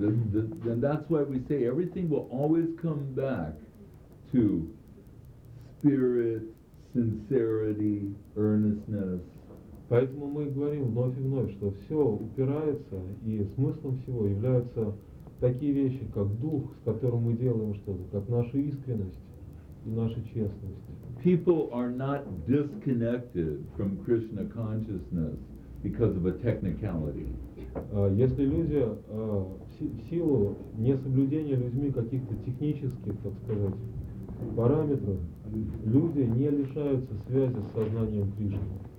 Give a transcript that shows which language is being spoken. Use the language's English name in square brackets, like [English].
[English] Then that's why we say everything will always come back to spirit, sincerity, earnestness. [Russian] Поэтому мы говорим вновь и вновь, что все упирается, и смыслом всего являются такие вещи, как дух, с которым мы делаем что-то, как наша искренность и наша честность. [English] People are not disconnected from Krishna consciousness because of a technicality. [Russian] Если люди в силу несоблюдения людьми каких-то технических, так сказать, параметров, люди не лишаются связи с сознанием Кришны.